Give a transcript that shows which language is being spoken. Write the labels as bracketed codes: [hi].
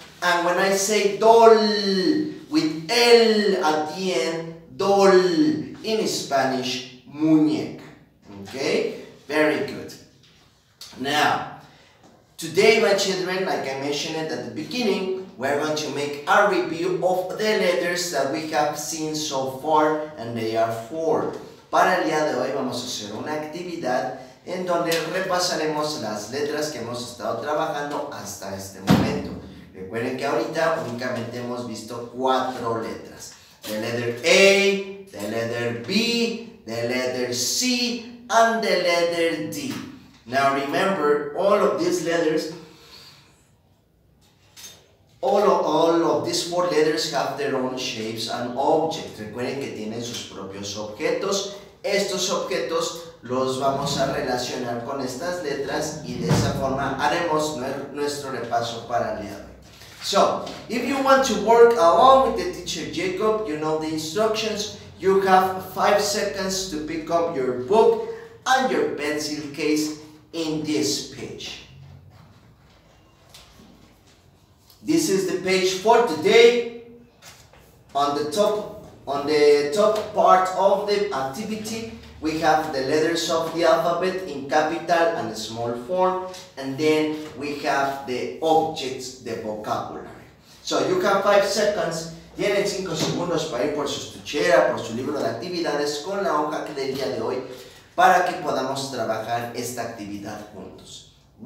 [en] And when I say doll, with L at the end, doll, in Spanish, muñeca. Okay? Very good. Now, today, my children, like I mentioned it at the beginning, we're going to make a review of the letters that we have seen so far, and they are four. [es] Para el día de hoy, vamos a hacer una actividad en donde repasaremos las letras que hemos estado trabajando hasta este momento. Recuerden que ahorita únicamente hemos visto cuatro letras. [en] The letter A, the letter B, the letter C, and the letter D. Now remember, all of these letters, all of these four letters have their own shapes and objects. [es] Recuerden que tienen sus propios objetos. Estos objetos los vamos a relacionar con estas letras y de esa forma haremos nuestro repaso para el día de hoy. [en] So, if you want to work along with the teacher Jacob, you know the instructions. You have 5 seconds to pick up your book and your pencil case in this page. This is the page for today. On the top part of the activity, we have the letters of the alphabet in capital and small form, and then we have the objects, the vocabulary. So you have 5 seconds. [es] Tienen 5 segundos para ir por su estuchera, por su libro de actividades, con la hoja que del día de hoy, para que podamos trabajar esta actividad juntos.